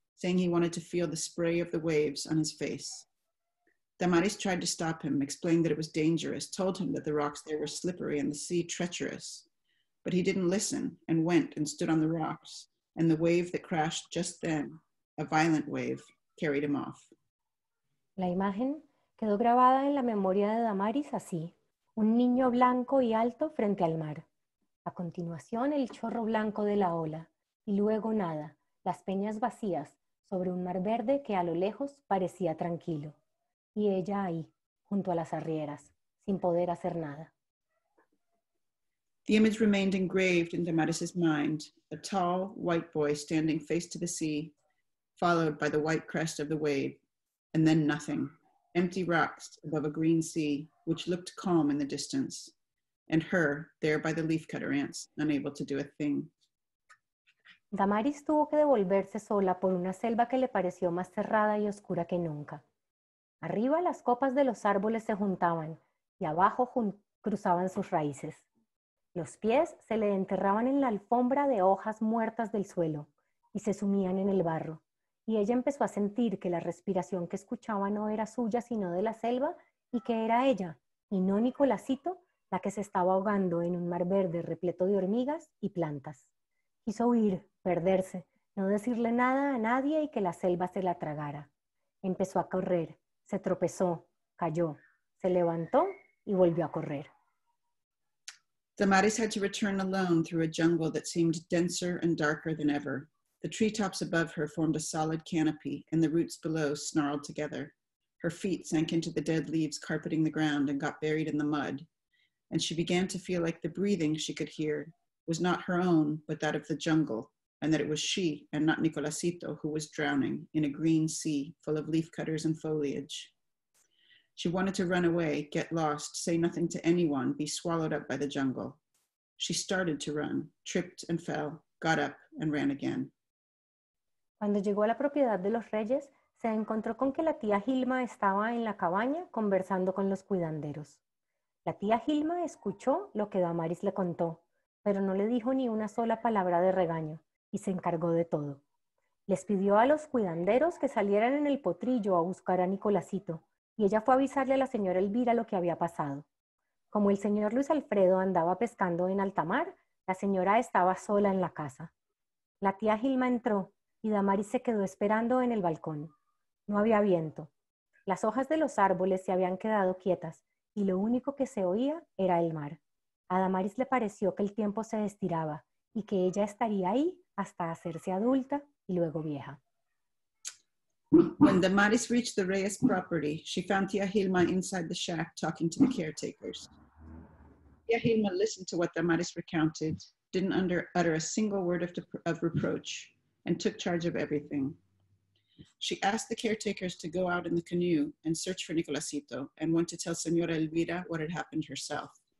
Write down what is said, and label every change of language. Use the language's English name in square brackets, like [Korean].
[English] saying he wanted to feel the spray of the waves on his face. Damaris tried to stop him, explained that it was dangerous, told him that the rocks there were slippery and the sea treacherous. But he didn't listen and went and stood on the rocks, and the wave that crashed just then, a violent wave, carried him off. [Spanish] La imagen quedó grabada en la memoria de Damaris así, un niño blanco y alto frente al mar. A continuación, el chorro blanco de la ola, y luego nada, las peñas vacías, sobre un mar verde que a lo lejos parecía tranquilo. Y ella ahí, junto a las arrieras, sin poder hacer nada. [English] The image remained engraved in Damaris's mind, a tall, white boy standing face to the sea, followed by the white crest of the wave, and then nothing, empty rocks above a green sea, which looked calm in the distance, and her, there by the leafcutter ants, unable to do a thing. [Spanish] Damaris tuvo que devolverse sola por una selva que le pareció más cerrada y oscura que nunca. Arriba las copas de los árboles se juntaban, y abajo cruzaban sus raíces. Los pies se le enterraban en la alfombra de hojas muertas del suelo y se sumían en el barro. Y ella empezó a sentir que la respiración que escuchaba no era suya sino de la selva y que era ella, y no Nicolásito, la que se estaba ahogando en un mar verde repleto de hormigas y plantas. Quiso huir, perderse, no decirle nada a nadie y que la selva se la tragara. Empezó a correr, se tropezó, cayó, se levantó y volvió a correr. [English] Damaris had to return alone through a jungle that seemed denser and darker than ever. The treetops above her formed a solid canopy, and the roots below snarled together. Her feet sank into the dead leaves carpeting the ground and got buried in the mud. And she began to feel like the breathing she could hear was not her own, but that of the jungle, and that it was she and not Nicolásito who was drowning in a green sea full of leafcutters and foliage. She wanted to run away, get lost, say nothing to anyone, be swallowed up by the jungle. She started to run, tripped and fell, got up and ran again. [Spanish] Cuando llegó a la propiedad de los reyes, se encontró con que la tía Hilma estaba en la cabaña conversando con los cuidanderos. La tía Hilma escuchó lo que Damaris le contó, pero no le dijo ni una sola palabra de regaño y se encargó de todo. Les pidió a los cuidanderos que salieran en el potrillo a buscar a Nicolásito. Y ella fue a avisarle a la señora Elvira lo que había pasado. Como el señor Luis Alfredo andaba pescando en alta mar, la señora estaba sola en la casa. La tía Hilma entró y Damaris se quedó esperando en el balcón. No había viento. Las hojas de los árboles se habían quedado quietas y lo único que se oía era el mar. A Damaris le pareció que el tiempo se estiraba y que ella estaría ahí hasta hacerse adulta y luego vieja. [English] When Damaris reached the Reyes property, she found Tia Hilma inside the shack talking to the caretakers. Tia Hilma listened to what Damaris recounted, didn't utter a single word of reproach, and took charge of everything. She asked the caretakers to go out in the canoe and search for Nicolásito, and went to tell Señora Elvira what had happened herself.